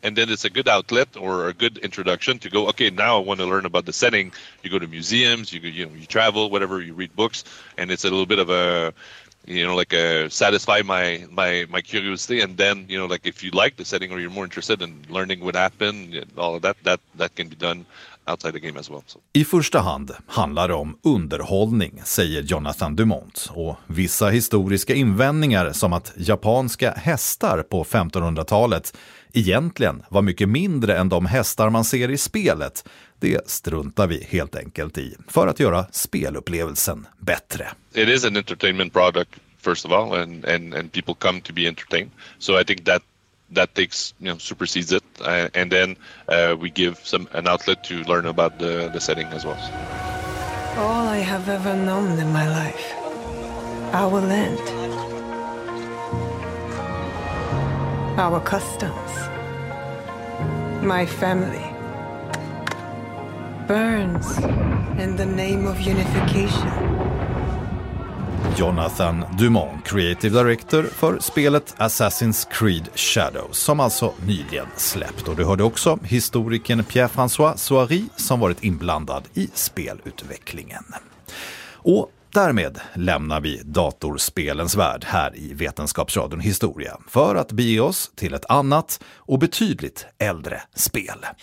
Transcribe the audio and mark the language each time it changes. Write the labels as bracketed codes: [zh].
[en] And then it's a good outlet or a good introduction to go, okay, now I want to learn about the setting. You go to museums, you travel, whatever, you read books, and it's a little bit of a, you know, like a satisfy my curiosity. And then, you know, like if you like the setting or you're more interested in learning what happened, all of that can be done outside the game as well. So. [sv] I första hand handlar det om underhållning, säger Jonathan Dumont. Och vissa historiska invändningar som att japanska hästar på 1500-talet egentligen var mycket mindre än de hästar man ser i spelet, det struntar vi helt enkelt i för att göra spelupplevelsen bättre. [en] It is an entertainment product first of all, and people come to be entertained. So I think that takes, you know, supersedes it. And then we give an outlet to learn about the setting as well. All I have ever known in my life, our land, our customs, my family, burns in the name of unification. [sv] Jonathan Dumont, creative director för spelet Assassin's Creed Shadows, som alltså nyligen släppt. Och du hörde också historikern Pierre-François Soary som varit inblandad i spelutvecklingen. Och därmed lämnar vi datorspelens värld här i Vetenskapsradion Historia för att bege oss till ett annat och betydligt äldre spel.